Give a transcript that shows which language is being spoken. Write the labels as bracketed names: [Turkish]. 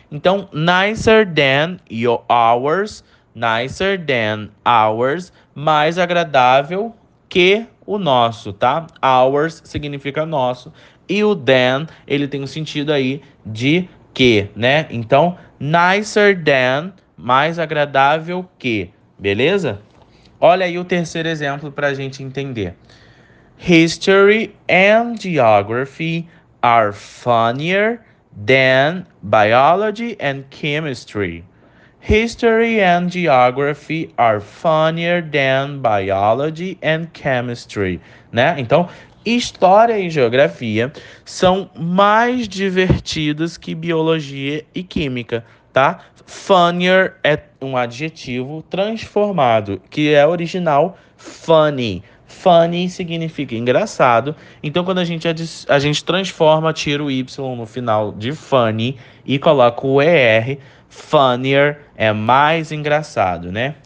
[Portuguese] Então, [English] nicer than your hours, nicer than ours, [Portuguese] mais agradável que o nosso, tá? Ours significa nosso e o than, ele tem o um sentido aí de que, né? Então, nicer than, mais agradável que, beleza? Olha aí o terceiro exemplo para a gente entender. [English] History and geography are funnier than biology and chemistry. History and geography are funnier than biology and chemistry, né? [Portuguese] Então, história e geografia são mais divertidos que biologia e química, tá? Funnier é um adjetivo transformado, que é original funny. Funny significa engraçado. Então, quando a gente transforma, tira o Y no final de funny e coloca o ER, funnier é mais engraçado, né?